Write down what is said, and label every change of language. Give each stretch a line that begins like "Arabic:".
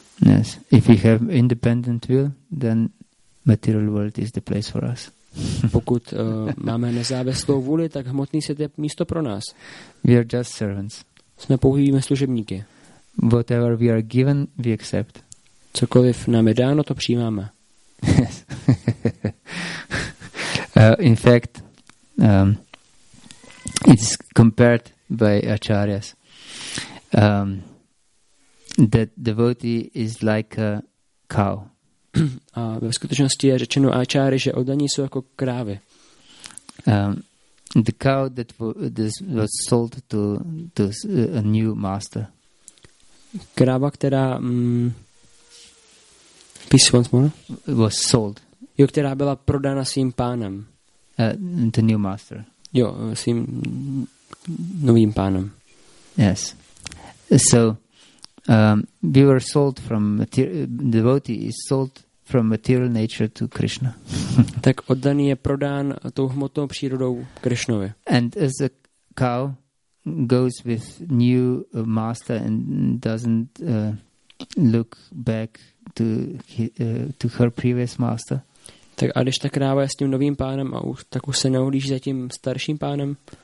English: Yes, if we have independent will, then material world is the place for us.
Czech: Pokud máme nezávislou vůli, tak hmotný svět je místo pro nás.
English: We are just servants.
Czech: Jsme pouhými služebníky.
English: Whatever we are given, we accept.
Czech: Cokoliv nám je dáno, to přijímáme.
English: In fact, it's compared by acharyas. That devotee is like a cow.
Czech: A ve skutečnosti je řečeno áčáry, že oddaní jsou jako krávy.
English: The cow that was sold to a new master.
Czech: Kráva, která
English: please once more. Was sold.
Czech: Jo, která byla prodána svým pánem.
English: The new master.
Czech: Jo, svým novým pánem.
English: Yes. So we were sold from devotee is sold from material nature to Krishna.
Czech: Tak oddaný je prodán tou hmotnou přírodou Krishnovi.
English: And as a cow goes with new master and doesn't look back to her previous master.
Czech: Tak a když ta kráva je s tím novým pánem a už tak už se neohlíží za tím starším pánem.